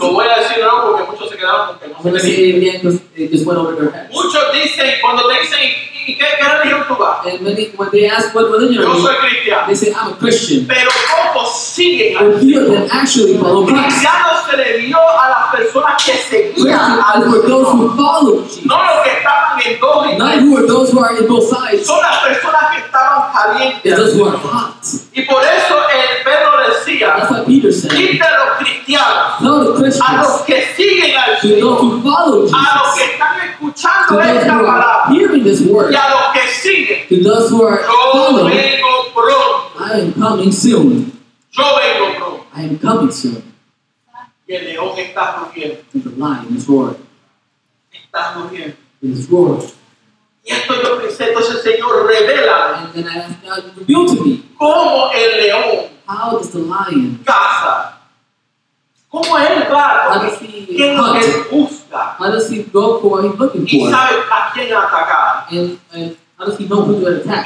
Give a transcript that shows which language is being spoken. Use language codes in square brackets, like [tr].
[es] Lo voy a decir no, porque muchos se quedaron porque no se [en] creen. I'm going to say it again because it just went over their heads. [es] Muchos dicen, cuando te dicen, ¿y qué religión tú vas? [en] And many, when they ask what religion [es] yo soy cristiano. [en] They say, I'm a Christian. [es] Pero pocos siguen al Señor. [en] But few of them actually follow Christ. [es] Cristiano se le dio a la persona que seguían a Dios. [en] Were those who followed Jesus. [es] No los que estaban en dos [en] y not who were those who are in both sides. [es] Son las personas que estaban calientes. [en] It's those who are hot. [es] Y por eso el Pedro decía. [en] That's what Peter said. [es] Quita a los cristianos. [en] Tell the Christians. [es] A los que siguen al Señor. [en] To those who follow Jesus. [es] A los que están escuchando esta palabra. [en] Hearing this word. [es] Y a los que siguen. [en] To those who are [es] yo [en] following. [es] Yo vengo pronto. [en] I am coming soon. [es] Yo vengo pronto. [en] I am coming soon. And the lion is roaring. [es] Está [en] it is roaring. [es] Y esto yo pensé, entonces, Señor, revela. [en] And then I asked God to reveal to me. [es] ¿Cómo el león? [en] How does the lion [es] caza? ¿Cómo él va? [en] How does he [es] ¿qué [en] hunt? [es] Lo que busca? [en] How does he go for what he's looking for? [es] ¿Y sabe a quién atacar? [en] And how does he know who to attack?